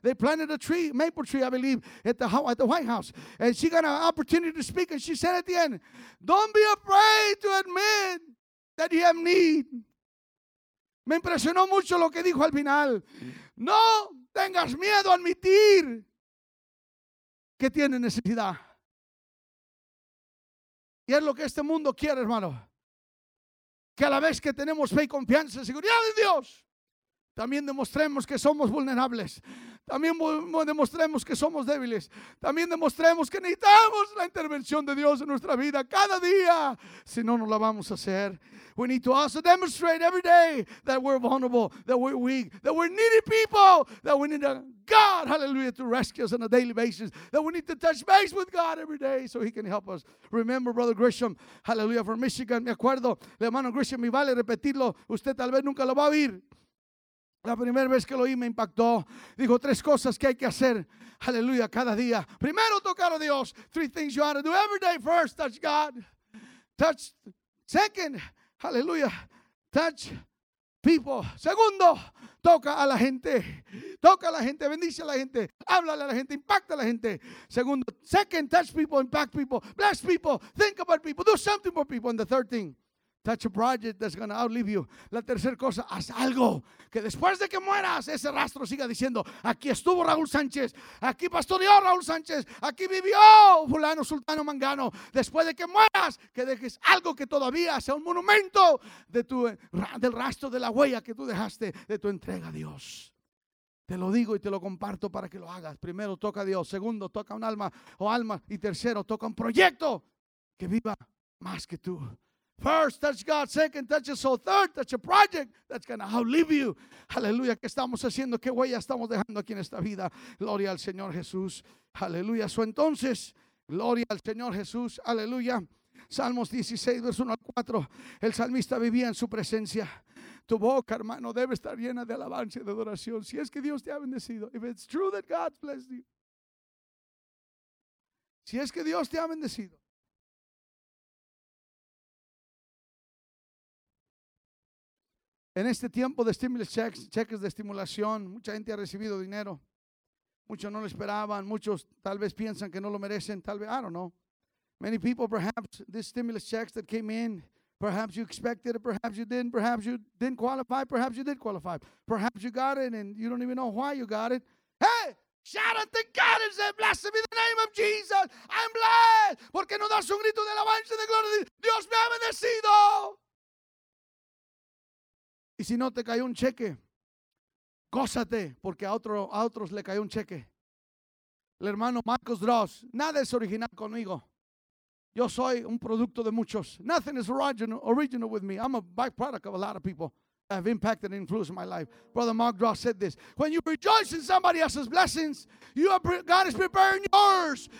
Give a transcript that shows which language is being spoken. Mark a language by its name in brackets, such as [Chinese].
[English] They planted a tree, maple tree, I believe, at the White House. And she got an opportunity to speak, and she said at the end, don't be afraid to admit that you have need. [Spanish] Me impresionó mucho lo que dijo al final. No tengas miedo a admitir que tiene necesidad. Y es lo que este mundo quiere, hermano. Que a la vez que tenemos fe y confianza y seguridad en Dios, también demostremos que somos vulnerables. También demostremos que somos débiles. También demostremos que necesitamos la intervención de Dios en nuestra vida cada día. Si no, no la vamos a hacer. [English] We need to also demonstrate every day that we're vulnerable, that we're weak, that we're needy people, that we need a God, hallelujah, to rescue us on a daily basis, that we need to touch base with God every day so he can help us. Remember, Brother Grisham, hallelujah, from Michigan, [Spanish] me acuerdo, hermano Grisham, me vale repetirlo, usted tal vez nunca lo va a oír. La primera vez que lo oí me impactó. Dijo tres cosas que hay que hacer. Hallelujah, cada día. Primero, tocar a Dios. [English] Three things you ought to do every day. First, touch God. Touch. Second, hallelujah, touch people. [Spanish] Segundo, toca a la gente. Toca a la gente, bendice a la gente. Háblale a la gente, impacta a la gente. Segundo, [English] second, touch people, impact people. Bless people, think about people. Do something for people. And the third thing, touch a project that's going to outlive you. [Spanish] La tercera cosa, haz algo que después de que mueras, ese rastro siga diciendo, aquí estuvo Raúl Sánchez, aquí pastoreó Raúl Sánchez, aquí vivió fulano, sultano, mangano. Después de que mueras, que dejes algo que todavía sea un monumento de del rastro, de la huella que tú dejaste, de tu entrega a Dios. Te lo digo y te lo comparto para que lo hagas. Primero, toca a Dios. Segundo, toca un alma o alma. Y tercero, toca un proyecto que viva más que tú. [English] First, touch God. Second, touch your soul. Third, touch a project that's going to outlive you. [Spanish] Hallelujah. ¿Qué estamos haciendo? ¿Qué huella estamos dejando aquí en esta vida? Gloria al Señor Jesús. Hallelujah. So entonces, gloria al Señor Jesús. Hallelujah. Salmos 16, verso 1 al 4. El salmista vivía en su presencia. Tu boca, hermano, debe estar llena de alabanza y de adoración. Si es que Dios te ha bendecido. [English] If it's true that God's blessed you. [Spanish] Si es que Dios te ha bendecido. En este tiempo de stimulus checks, cheques de estimulación, mucha gente ha recibido dinero. Muchos no lo esperaban, muchos tal vez piensan que no lo merecen, tal vez, [English] I don't know. Many people, perhaps these stimulus checks that came in, perhaps you expected it, perhaps you didn't, perhaps you didn't qualify, perhaps you did qualify. Perhaps you got it and you don't even know why you got it. Hey, shout out to God and say, blessed be the name of Jesus. I'm blessed. [Spanish] ¿Por qué no das un grito de alabanza y de gloria? Dios me ha bendecido. Y si no te cayó un cheque, gózate, porque a otros le cayó un cheque. El hermano Marcos Dross, nada es original conmigo. Yo soy un producto de muchos. [English] Nothing is original with me. I'm a byproduct of a lot of people that have impacted and influenced my life. Brother Mark Dross said this. When you rejoice in somebody else's blessings, you are, God is preparing yours.